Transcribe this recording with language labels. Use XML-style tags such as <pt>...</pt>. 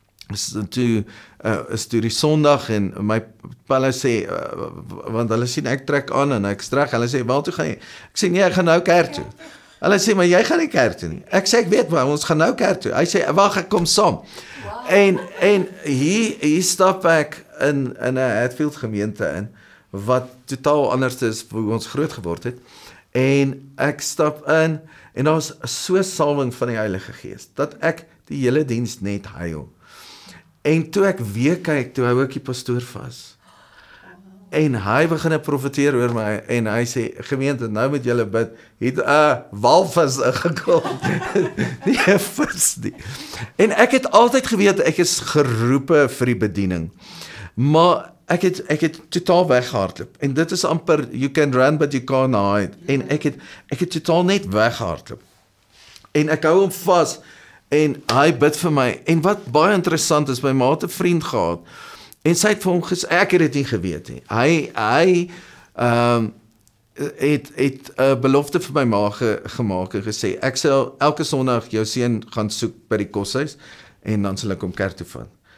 <af>is toe die sondag en my pelle sê, want hulle sien ek trek aan en ek strek, hulle sê, waar toe gaan jy? Ek sê, nee, ek gaan nou kerk toe. Hulle sê, maar jy gaan nie kerk toe nie. Ek sê, ek weet, maar ons gaan nou kerk toe. Hy sê, wacht, ek kom saam. Wow. En hier stap ek in een Hatfield gemeente in, wat totaal anders is hoe ons groot geword het. En ek stap in, en daar is so salwing van die Heilige Geest, dat ek die hele dienst net huil. En toe ek weer kyk, toe hou ek die pastoor vas. En hy begin profeteer oor my, en hy sê, gemeente, nou moet julle bid, het een walvis gekom. Nie een vis nie. En ek het altyd geweet, ek is geroepe vir die bediening. Maar ek het totaal weggehardloop. En dit is amper,</af> <en>you can run, but you can't hide.</en> <af>En ek het totaal net weggehardloop. En ek hou hom vas, en hy bid vir my, en wat baie interessant is, my ma het 'n vriend gehad, en sy het vir hom gesê, ek het dit nie geweet nie, hy het belofte vir my ma gemaak, en gesê, ek sal elke sondag jou seun gaan soek by die koshuis, en dan sal ek hom kerk toe vat,</af>